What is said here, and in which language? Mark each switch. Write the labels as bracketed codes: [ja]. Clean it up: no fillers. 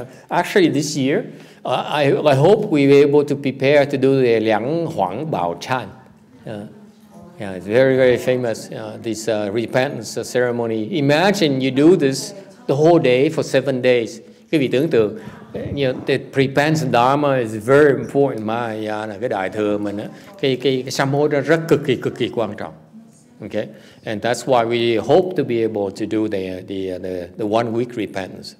[en] Actually, this year, I hope we're able to prepare to do the Liang Huang Bao Chan. Yeah, it's very, very famous, this repentance ceremony. Imagine you do this the whole day for 7 days. [vi] Quý vị tưởng tượng, [en] the repentance dharma is very important. [vi] Mahayana, cái đại thừa mình, cái sám hối đó rất cực kỳ quan trọng. [en] Okay? And that's why we hope to be able to do the 1 week repentance.